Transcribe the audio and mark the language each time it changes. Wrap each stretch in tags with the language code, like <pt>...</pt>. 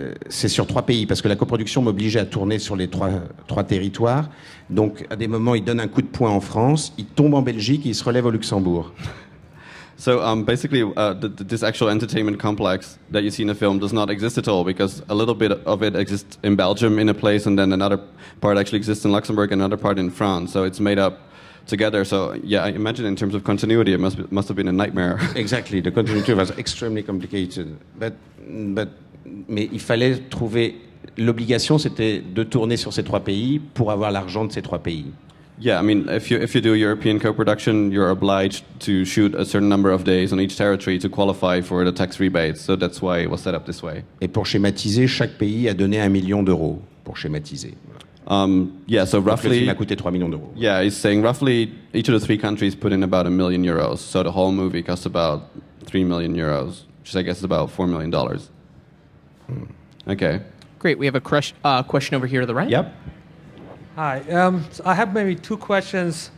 <fr>c'est sur trois pays parce que la coproduction m'obligeait à tourner sur les trois territoires. Donc, à des moments, il donne un coup de poing en France, il tombe en Belgique, et il se relève au Luxembourg.</fr> <en>So basically, this actual entertainment complex that you see in the film does not exist at all because a little bit of it exists in Belgium in a place, and then another part actually exists in Luxembourg, and another part in France. So it's made up together. So yeah, I imagine in terms of continuity, it must have been a nightmare. Exactly, the continuity was extremely complicated, but.</en> <fr>Mais il fallait trouver... L'obligation, c'était de tourner sur ces trois pays pour avoir l'argent de ces trois pays.</fr> <en>Yeah, I mean, if you do a European co-production, you're obliged to shoot a certain number of days on each territory to qualify for the tax rebate. So that's why it was set up this way.</en> <fr>Et pour schématiser, chaque pays a donné 1 million d'euros, pour schématiser.</fr> <en>So roughly...</en> <fr>Donc le film a coûté 3 millions d'euros.</fr> <en>Yeah, he's saying roughly each of the three countries put in about 1 million euros. So the whole movie cost about 3 million euros, which I guess is about $4 million. Okay. Great. We have a question over here to the right. Yep. Hi. I have maybe two questions.</en>